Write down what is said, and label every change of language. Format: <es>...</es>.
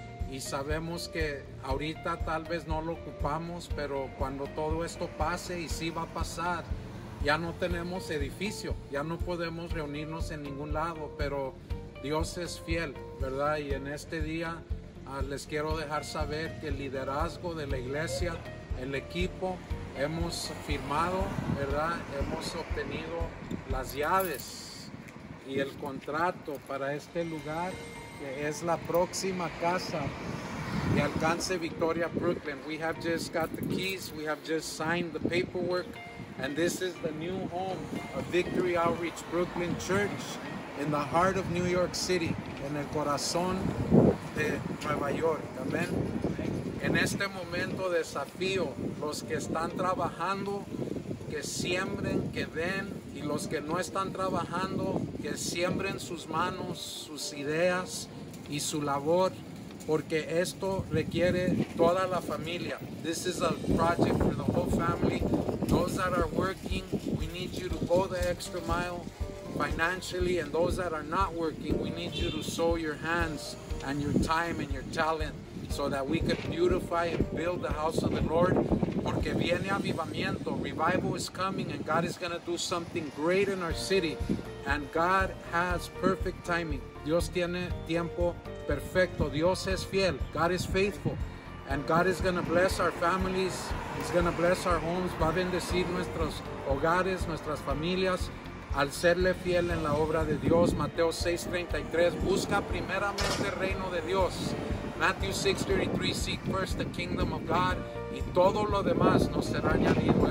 <es>y sabemos que ahorita tal vez no lo ocupamos, pero cuando todo esto pase, y sí va a pasar, ya no tenemos edificio, ya no podemos reunirnos en ningún lado, pero Dios es fiel, ¿verdad? Y en este día les quiero dejar saber que el liderazgo de la iglesia, el equipo, hemos firmado, ¿verdad? Hemos obtenido las llaves y el contrato para este lugar, que es la próxima casa que alcance Victoria, Brooklyn.</es> <en>We have just got the keys, we have just signed the paperwork, and this is the new home of Victory Outreach Brooklyn Church in the heart of New York City,</en> <es>en el corazón de Nueva York. Amén. En este momento desafío los que están trabajando, que siembren, que den, y los que no están trabajando, que siembren sus manos, sus ideas y su labor, porque esto requiere toda la familia.</es> <en>This is a project for the whole family. Those that are working, we need you to go the extra mile financially, and those that are not working, we need you to sow your hands and your time and your talent, so that we could beautify and build the house of the Lord.</en> <es>Porque viene avivamiento,</es> <en>revival is coming, and God is going to do something great in our city. And God has perfect timing.</en> <es>Dios tiene tiempo perfecto. Dios es fiel.</es> <en>God is faithful. And God is going to bless our families. He's going to bless our homes.</en> <es>Va a bendecir nuestros hogares, nuestras familias, al serle fiel en la obra de Dios. Mateo 6:33. Busca primeramente el reino de Dios.</es> <en>Matthew 6:33, seek first the kingdom of God,</en> <es>y todo lo demás nos será añadido.</es>